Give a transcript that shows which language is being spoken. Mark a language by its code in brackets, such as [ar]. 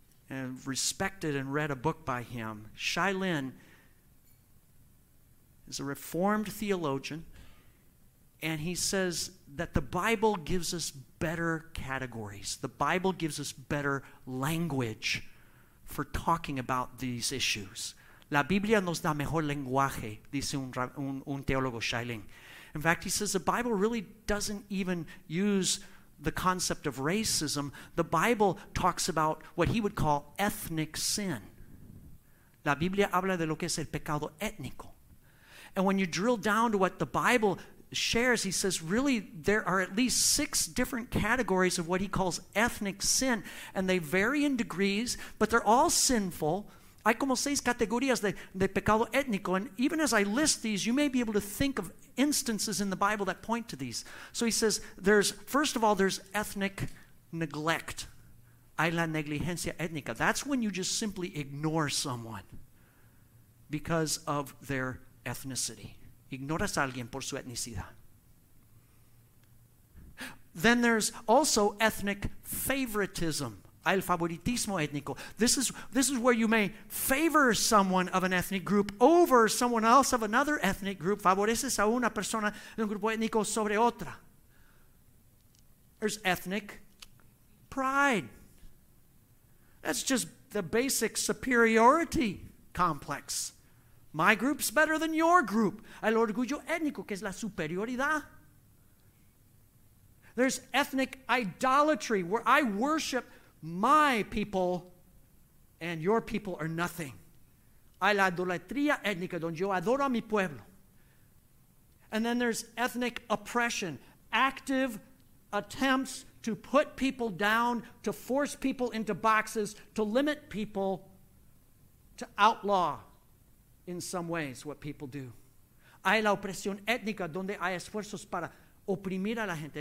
[en] And respected and read a book by him. Shai Lin is a reformed theologian, and he says that the Bible gives us better categories. The Bible gives us better language for talking about these issues. [es] La Biblia nos da mejor lenguaje, dice un teólogo Shai Lin. [en] In fact, he says the Bible really doesn't even use the concept of racism. The Bible talks about what he would call ethnic sin. [es] La Biblia habla de lo que es el pecado étnico. [en] And when you drill down to what the Bible shares, he says really there are at least six different categories of what he calls ethnic sin, and they vary in degrees, but they're all sinful. [es] Hay como seis categorías de pecado étnico, [en] and even as I list these, you may be able to think of instances in the Bible that point to these. So he says, there's ethnic neglect. [es] Hay la negligencia étnica. [en] That's when you just simply ignore someone because of their ethnicity. [es] Ignoras a alguien por su etnicidad. [en] Then there's also ethnic favoritism. [es] Hay el favoritismo étnico. [en] This is where you may favor someone of an ethnic group over someone else of another ethnic group. [es] Favoreces a una persona de un grupo étnico sobre otra. [en] There's ethnic pride. That's just the basic superiority complex. My group's better than your group. [es] El orgullo étnico, que es la superioridad. [en] There's ethnic idolatry, where I worship my people and your people are nothing. [es] Hay la idolatría étnica, donde yo adoro a mi pueblo. [en] And then there's ethnic oppression, active attempts to put people down, to force people into boxes, to limit people, to outlaw in some ways what people do. [es] Hay la opresión étnica, donde hay esfuerzos para oprimir a la gente.